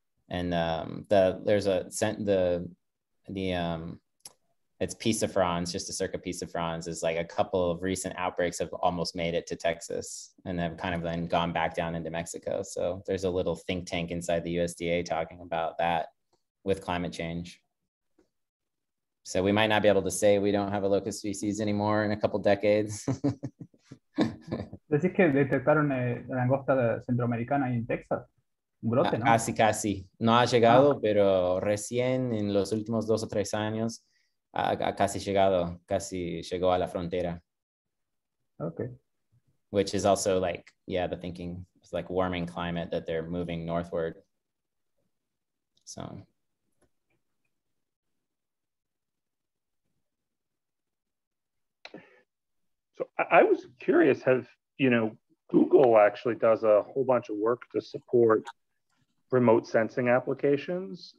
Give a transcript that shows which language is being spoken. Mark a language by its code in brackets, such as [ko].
[en] And it's pisafrons, just a circa pisafrons, is like a couple of recent outbreaks have almost made it to Texas and have kind of then gone back down into Mexico. So there's a little think tank inside the USDA talking about that with climate change. So we might not be able to say we don't have a locust species anymore in a couple decades. [es] Decís que detectaron langosta centroamericana en Texas, un brote, ¿no? Casi. No ha llegado, pero recién en los últimos 2 o 3 años ha casi llegado, casi llegó a la frontera. [en] Okay. Which is also like, yeah, the thinking is like warming climate that they're moving northward. So. So I was curious, Google actually does a whole bunch of work to support remote sensing applications.